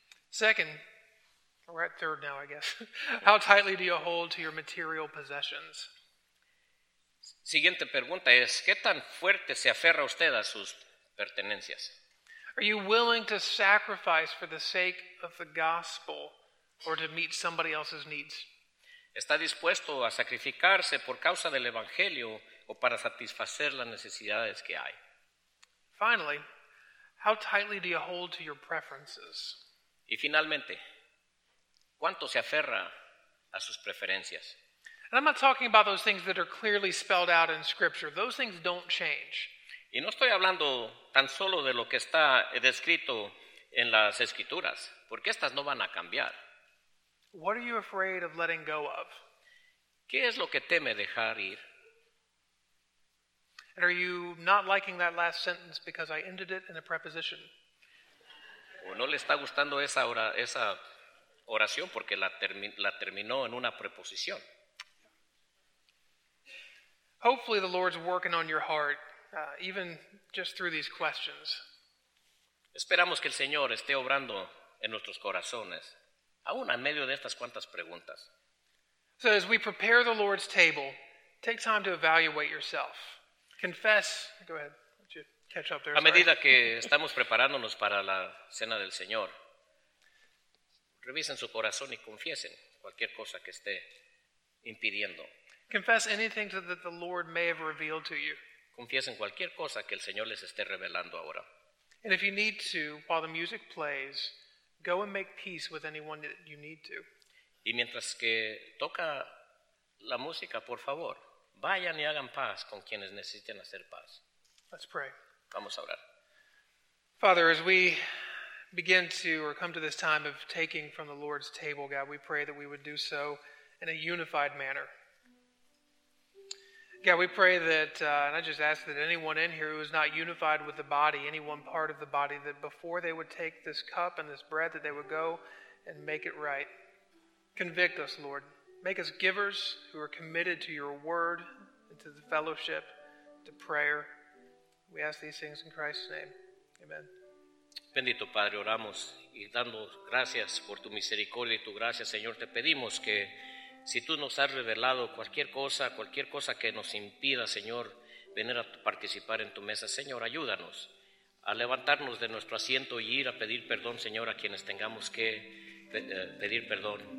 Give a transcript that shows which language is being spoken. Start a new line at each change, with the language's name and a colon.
English: Second, we're at third now, I guess. How tightly do you hold to your material possessions?
Spanish: Siguiente pregunta es, ¿qué tan fuerte se aferra usted a sus pertenencias?
English: Are you willing to sacrifice for the sake of the gospel or to meet somebody else's needs?
Spanish: ¿Está dispuesto a sacrificarse por causa del evangelio o para satisfacer las necesidades que hay?
English: Finally, how tightly do you hold to your preferences?
Spanish: Y finalmente, ¿cuánto se aferra a sus preferencias?
English: And I'm not talking about those things that are clearly spelled out in Scripture. Those things don't change.
Spanish: Y no estoy hablando tan solo de lo que está descrito en las Escrituras, porque estas no van a cambiar.
English: What are you afraid of letting go of?
Spanish: ¿Qué es lo que teme dejar ir?
English: And are you not liking that last sentence because I ended it in a preposition?
Spanish: ¿O no le está gustando esa oración porque la terminó en una preposición?
English: Hopefully the Lord's working on your heart, even just through these questions.
Spanish: Esperamos que el Señor esté obrando en nuestros corazones, aún en medio de estas cuantas preguntas.
English: So as we prepare the Lord's table, take time to evaluate yourself. Confess, go ahead, let you catch up there.
Spanish: A medida que estamos preparándonos para la cena del Señor, revisen su corazón y confiesen cualquier cosa que esté impidiendo.
English: Confess anything that the Lord may have revealed to you.
Spanish: Confiesen cualquier cosa que el Señor les esté revelando ahora.
English: And if you need to, while the music plays, go and make peace with anyone that you need to.
Spanish: Y mientras que toca la música, por favor, vayan y hagan paz con quienes necesiten hacer paz.
English: Let's pray.
Spanish: Vamos a orar.
English: Father, as we begin to or come to this time of taking from the Lord's table, God, we pray that we would do so in a unified manner. God, we pray that, and I just ask that anyone in here who is not unified with the body, any one part of the body, that before they would take this cup and this bread, that they would go and make it right. Convict us, Lord. Make us givers who are committed to your word and to the fellowship, to prayer. We ask these things in Christ's name. Amen.
Spanish: Bendito Padre, oramos y dando gracias por tu misericordia y tu gracia, Señor, te pedimos que si tú nos has revelado cualquier cosa que nos impida, Señor, venir a participar en tu mesa, Señor, ayúdanos a levantarnos de nuestro asiento y ir a pedir perdón, Señor, a quienes tengamos que pedir perdón.